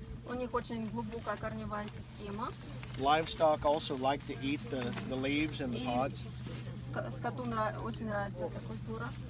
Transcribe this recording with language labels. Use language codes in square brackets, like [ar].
[ru] У них очень глубокая корневая система. [en] Livestock also like to eat the leaves and the pods. [ru] Скоту очень нравится эта культура.